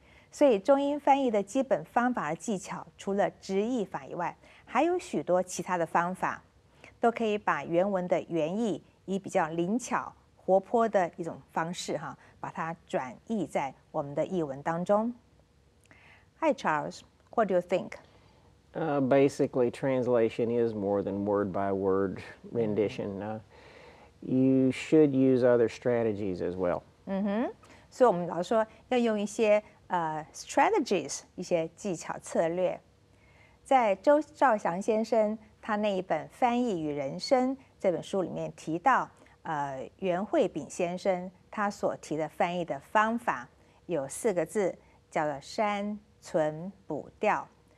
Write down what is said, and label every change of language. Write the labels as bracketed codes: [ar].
[zh] 所以中英翻译的基本方法和技巧，除了直译法以外，还有许多其他的方法，都可以把原文的原意以比较灵巧、活泼的一种方式，把它转译在我们的译文当中。 [en] Hi Charles, what do you think? Basically, translation is more than word by word rendition. You should use other strategies as well. [zh] 所以我们老说要用一些strategies 一些技巧策略，在周兆祥先生他那一本《翻译与人生》这本书里面提到，袁慧秉先生他所提的翻译的方法有四个字，叫做删、存、补、调。